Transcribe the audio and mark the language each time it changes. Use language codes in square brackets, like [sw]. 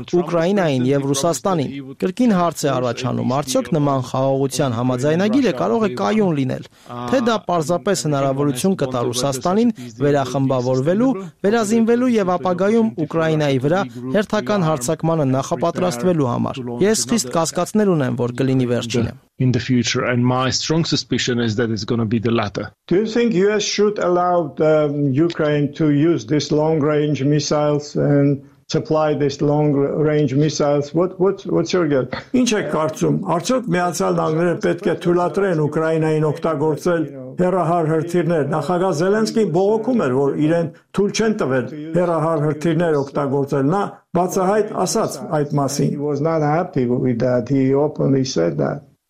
[hy] Ուկրաինային եւ Ռուսաստանին։ Կրկին հարց է առաջանում, արդյոք նման խաղաղության համաձայնագիրը կարող է կայուն լինել, թե դա պարզապես հնարավորություն կտա Ռուսաստանին վերախմբավորվելու, վերազինվելու եւ ապագայում Ուկրաինայի վրա հերթական հարձակմանը նախապատրաստվելու համար։ Ես խիստ կասկածներ ունեմ, որ կլինի վերջինը։ [en] In the future, and my strong suspicion is that it's going to be the latter. Do you think US should allow the Ukraine to use these long-range missiles and supply these long-range missiles? What's your guess? [hy] Ինչ եք կարծում, արդյոք Միացյալ Նահանգները պետք է թույլատրեն Ուկրաինային օգտագործել հեռահար հրթիռներ? Նախագահ Զելենսկին բողոքում էր, որ իրեն թույլ չեն տվել հեռահար հրթիռներ օգտագործել, նա բացահայտ ասաց այդ մասին. [en] He was not happy with that. He openly said that.